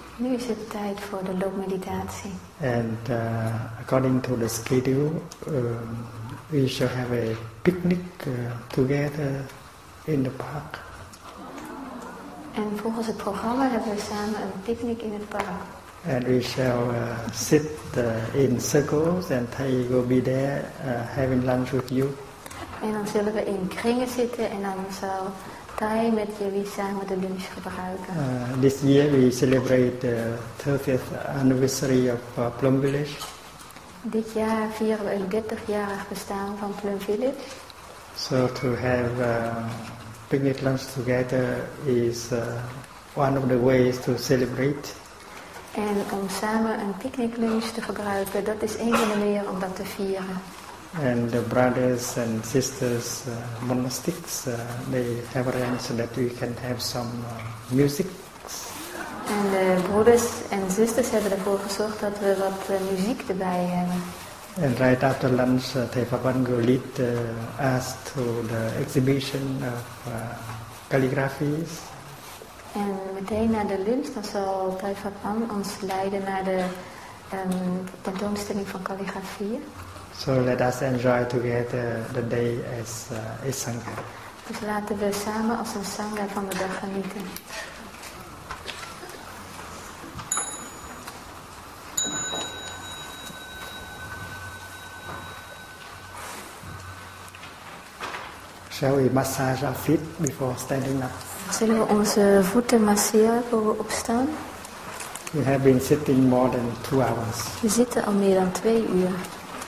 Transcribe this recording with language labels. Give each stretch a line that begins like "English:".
Dutch: Nu is het tijd voor de loopmeditatie.
English: And according to the schedule, we shall have a picnic together in the park.
Dutch: En volgens het programma hebben we samen een picnic in het park.
English: And we shall sit in circles, and Thay will be there having lunch with you.
Dutch: En dan zullen we in kringen zitten, en dan zal Thay met jullie samen de lunch gebruiken.
English: This year we celebrate the 30th anniversary of Plum Village.
Dutch: Dit jaar vieren we een 30-jarig bestaan van Plum Village.
English: So to have picnic lunch together is one of the ways to celebrate.
Dutch: En om samen een picnic lunch te gebruiken, dat is een van de manieren om dat te vieren.
English: And the brothers and sisters, monastics, they have arranged that we can have some music.
Dutch: En de broeders en zusters hebben ervoor gezorgd dat we wat muziek erbij hebben.
English: And right after lunch, Thay Pha Van will lead us to the exhibition of calligraphies.
Dutch: En meteen na de lunch dan zal Thay Pha Van ons leiden naar de tentoonstelling van calligrafieën.
English: So let us enjoy together the day as a sangha.
Dutch: Dus laten we samen als een sangha van de dag genieten.
English: Shall we massage our feet before standing up?
Dutch: Zullen we onze voeten masseren voor we opstaan?
English: We have been sitting more than 2 hours.
Dutch: We zitten al meer dan 2 uur.